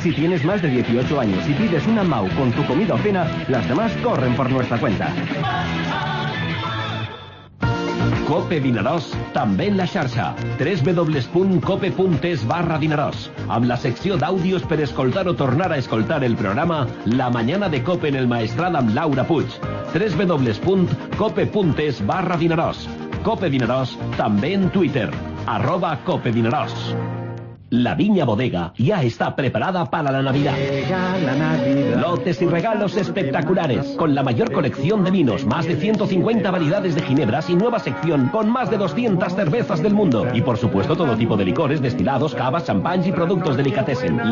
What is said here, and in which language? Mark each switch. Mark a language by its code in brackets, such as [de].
[es] Si tienes más de 18 años y pides una MAU con tu comida o cena, las demás corren por nuestra cuenta. [ca] Cope Dinaròs, també en la xarxa. www.cope.es/dinaròs. Amb la secció d'àudios per escoltar o tornar a escoltar el programa La Mañana de Cope en el Maestrat amb Laura Puig. www.cope.es/dinaròs. Cope Dinaròs, també en Twitter. @CopeDinaròs. [es] La Viña Bodega ya está preparada para la Navidad. Lotes y regalos espectaculares con la mayor colección de vinos, más de 150 variedades de ginebras y nueva sección con más de 200 cervezas del mundo. Y por supuesto todo tipo de licores, destilados, cavas, champán y productos delicatessen.